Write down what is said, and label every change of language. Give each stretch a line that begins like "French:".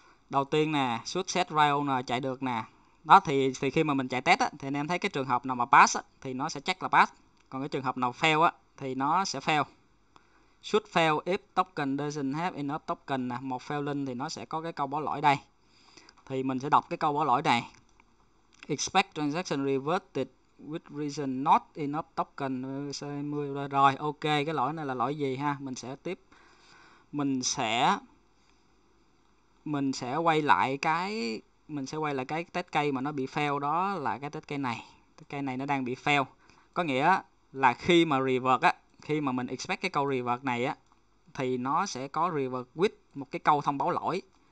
Vietnamese: Đầu tiên nè, success rail nè chạy được nè. Đó thì khi mà mình chạy test á thì anh em thấy cái trường hợp nào mà pass á, thì nó sẽ check là pass. Còn cái trường hợp nào fail á thì nó sẽ fail.
English: Should fail if token doesn't have enough token
Vietnamese: nè, một failing thì nó sẽ có cái câu bỏ lỗi đây. Thì mình sẽ đọc cái câu bỏ lỗi này.
English: Expect transaction reverted with reason not enough token 20.
Vietnamese: Rồi, ok, cái lỗi này là lỗi gì ha? Mình sẽ tiếp. Mình sẽ quay lại cái mình sẽ quay lại cái test case mà nó bị fail, đó là cái test case này. Test case này nó đang bị fail. Có nghĩa là khi mà revert á, khi mà mình expect cái câu revert này á thì nó sẽ có revert with một cái câu thông báo lỗi.